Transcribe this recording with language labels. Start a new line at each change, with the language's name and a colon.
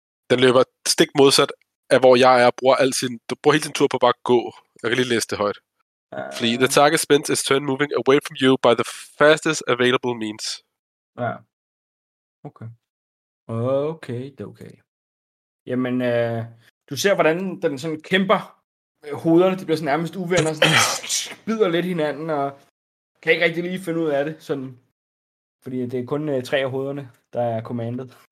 Danish: Den løber stik modsat af, hvor jeg er. Bruger hele sin tur på bare at gå. Jeg kan lige læse det højt.
English: Flee. The target spins its turn moving away from you by the fastest available means.
Danish: Ja. Okay, det er okay. Jamen, du ser, hvordan den sådan kæmper med hovederne. Det bliver sådan nærmest uvenner. Sådan, bider lidt hinanden, og kan ikke rigtig lige finde ud af det. Sådan Fordi det er kun tre af hovederne, der er commandet.